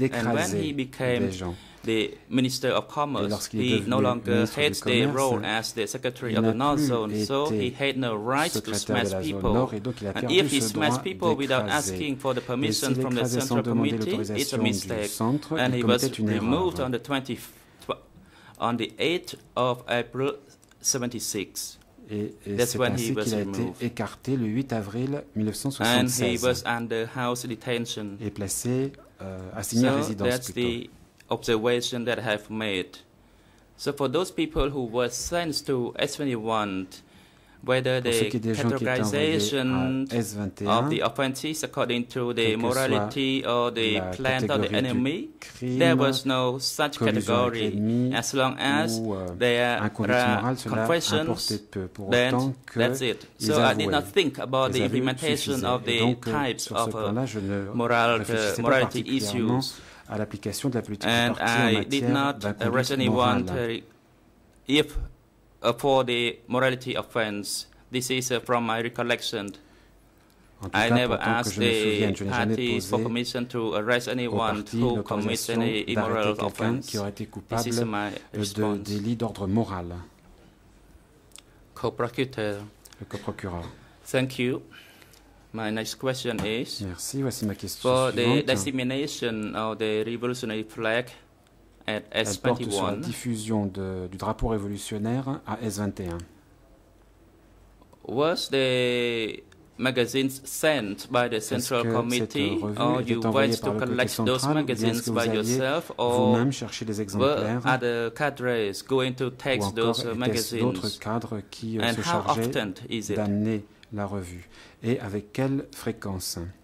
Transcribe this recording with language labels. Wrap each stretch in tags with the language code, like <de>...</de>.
<en>and when he became the Minister of Commerce, he no longer had the role as the Secretary of the North Zone, so he had no right to smash people. And if he smashed people without asking for the permission from the Central Committee, it's a mistake. And he was removed on the 8th of April 76.</en> <fr>Et c'est ainsi qu'il a été écarté le 8 avril 1976.</fr> <en>And he was under house detention.</en> <fr>Et placé assigné à résidence plutôt.</fr> <en>Observation that I have made. So for those people who were sent to S21, whether the categorization S21, of the offenses according to the morality or the plan of the enemy, crime, there was no such category. As long as there are confessions, then that's it. So I did not think about the implementation of the types of morality issues.</en> <fr>À l'application de la politique</fr> <en>and</en> <fr>du parti</fr> <en>I did not arrest anyone if for the morality offense. This is from my recollection. I never asked the party for permission to arrest anyone who commits any immoral offense.</en> <fr>Qui aurait été coupable de délit d'ordre moral. Co-procureur. Le co-procureur.</fr> <en>Thank you. My next question is</en> <fr>Merci. Voici ma question</fr> <en>for</en> <fr>suivante.</fr> <en>The dissemination of the revolutionary flag at S21.</en> <fr>Elle porte sur la diffusion du drapeau révolutionnaire à S21.</fr> <en>Was the magazine sent by the Central Committee, or you went to collect those magazines by yourself, or were other cadres going to take those magazines? And how often is it?</en> <fr>La revue et avec quelle fréquence?</fr>